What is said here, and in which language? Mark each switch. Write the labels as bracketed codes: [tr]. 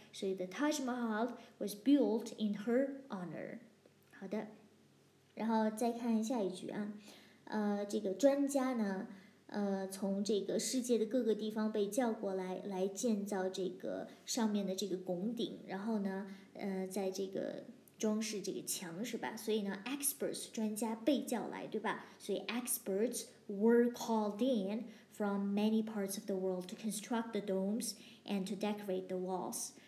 [zh] 所以 [en] the Taj Mahal was built in her honor。 [zh] 好的，然后再看下一句啊，这个专家呢，从这个世界的各个地方被叫过来，来建造这个上面的这个拱顶，然后呢，在这个装饰这个墙是吧？所以呢 ，experts 专家被叫来，对吧？所以 [en] experts were called in from many parts of the world to construct the domes and to decorate the walls.